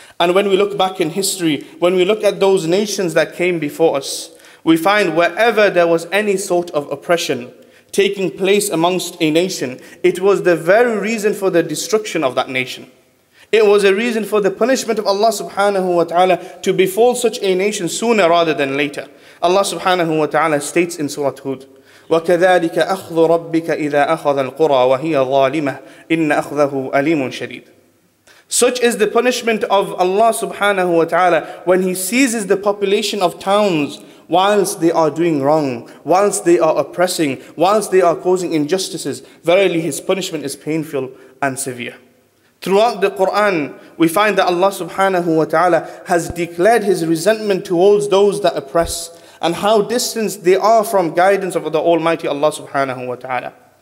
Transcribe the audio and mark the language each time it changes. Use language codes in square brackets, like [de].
[en] And when we look back in history, when we look at those nations that came before us, we find wherever there was any sort of oppression taking place amongst a nation, it was the very reason for the destruction of that nation. It was a reason for the punishment of Allah subhanahu wa ta'ala to befall such a nation sooner rather than later. Allah subhanahu wa ta'ala states in Surah Hud, [ar] وَكَذَلِكَ أَخْذُ رَبِّكَ إِذَا أَخَذَ الْقُرَى وَهِيَ ظَالِمَةٌ إِنَّ أَخْذَهُ أَلِيمٌ شَدِيدٌ. [en] Such is the punishment of Allah subhanahu wa ta'ala when He seizes the population of towns whilst they are doing wrong, whilst they are oppressing, whilst they are causing injustices. Verily His punishment is painful and severe. Throughout the Qur'an, we find that Allah subhanahu wa ta'ala has declared His resentment towards those that oppress and how distant they are from guidance of the Almighty Allah subhanahu wa ta'ala.